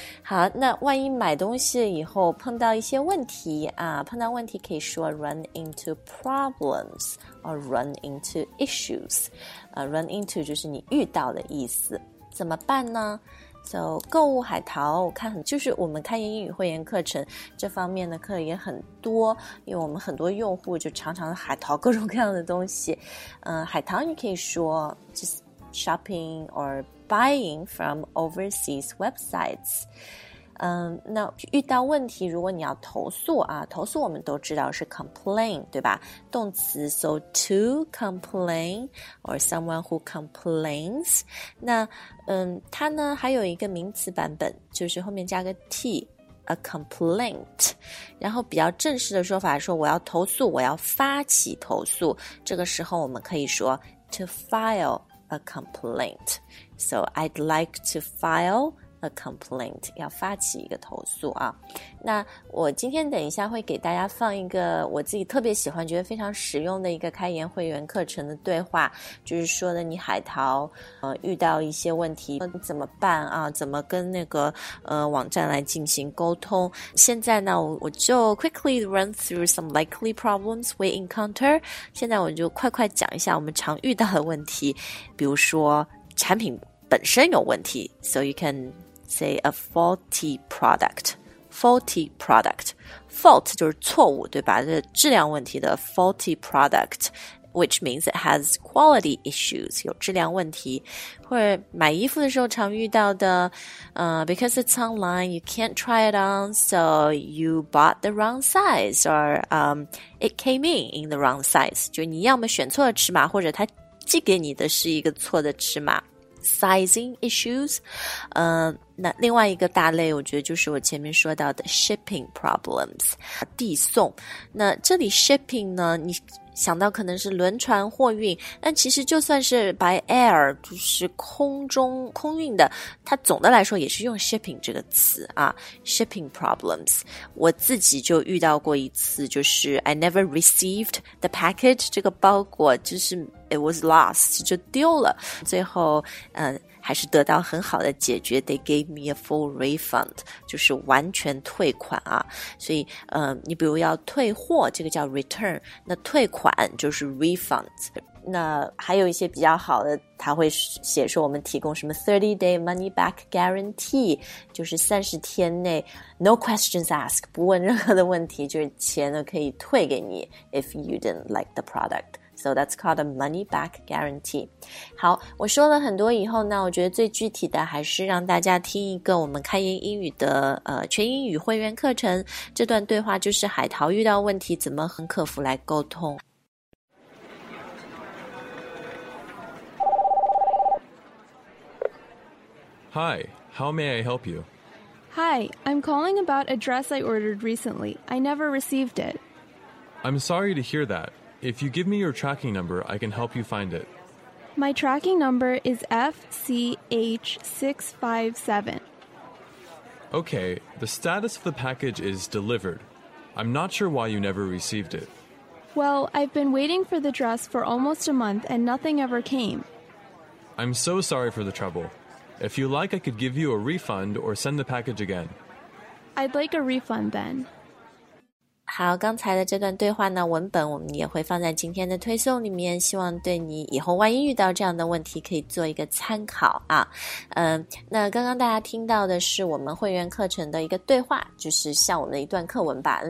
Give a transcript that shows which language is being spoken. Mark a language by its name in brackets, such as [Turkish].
[Chinese] 好，那万一买东西以后碰到一些问题啊，碰到问题可以说 [English] run into problems or run into issues. Run into [Chinese] 就是你遇到的意思。怎么办呢？ So, 购物海淘，我看很，就是我们开言英语会员课程这方面的课也很多，因为我们很多用户就常常海淘各种各样的东西。海淘你可以说 [English] just shopping or buying from overseas websites。 [Chinese] 那遇到问题，如果你要投诉啊，投诉我们都知道是 complain, 对吧？动词 [English] so to complain or someone who complains。 [Chinese] 那它呢还有一个名词版本，就是后面加个 t, a complaint。然后比较正式的说法说我要投诉，我要发起投诉，这个时候我们可以说 [English] to file a complaint. So I'd like to fileA complaint, [Chinese] 要发起一个投诉啊。那我今天等一下会给大家放一个我自己特别喜欢觉得非常实用的一个开言会员课程的对话，就是说的你海淘遇到一些问题怎么办啊，怎么跟那个网站来进行沟通。现在呢我就 [English] quickly run through some likely problems we encounter, [Chinese] 现在我就快快讲一下我们常遇到的问题，比如说产品本身有问题。 [English] So you canSay a faulty product. Faulty product. [Chinese] Fault 就是错误，对吧？这质量问题的 [English] faulty product, which means it has quality issues, [Chinese] 有质量问题。或者买衣服的时候常遇到的 [English] because it's online, you can't try it on, so you bought the wrong size, or it came in the wrong size. [Chinese] 就你要么选错了尺码，或者它寄给你的是一个错的尺码。 [English] Sizing issues, [Chinese] 那另外一个大类我觉得就是我前面说到的 [English] shipping problems, [Chinese] 递送。那这里 shipping 呢，你想到可能是轮船货运，但其实就算是 [English] by air, [Chinese] 就是空中空运的，它总的来说也是用 shipping 这个词啊， shipping problems。我自己就遇到过一次，就是 [English] I never received the package, [Chinese] 这个包裹就是 [English] it was lost, [Chinese] 就丢了，最后还是得到很好的解决。 [English] They gave me a full refund, [Chinese] 就是完全退款啊。所以你比如要退货，这个叫 return, 那退款就是 refund。那还有一些比较好的，他会写说我们提供什么 [English] 30 day money back guarantee, [Chinese] 就是30天内 [English] no questions asked, [Chinese] 不问任何的问题，就是钱呢可以退给你 [English] if you didn't like the product. So that's called a money back guarantee. [Chinese] 好，我说了很多以后呢，我觉得最具体的还是让大家听一个我们开言英语的全英语会员课程，这段对话就是海淘遇到问题怎么和客服来沟通。 [English] Hi, how may I help you? Hi, I'm calling about a dress I ordered recently. I never received it. I'm sorry to hear that. If you give me your tracking number, I can help you find it. My tracking number is FCH657. Okay, the status of the package is delivered. I'm not sure why you never received it. Well, I've been waiting for the dress for almost a month and nothing ever came. I'm so sorry for the trouble. If you like, I could give you a refund or send the package again. I'd like a refund then. [Chinese] 好，刚才的这段对话呢，文本我们也会放在今天的推送里面，希望对你以后万一遇到这样的问题可以做一个参考啊。那刚刚大家听到的是我们会员课程的一个对话，就是像我们的一段课文吧。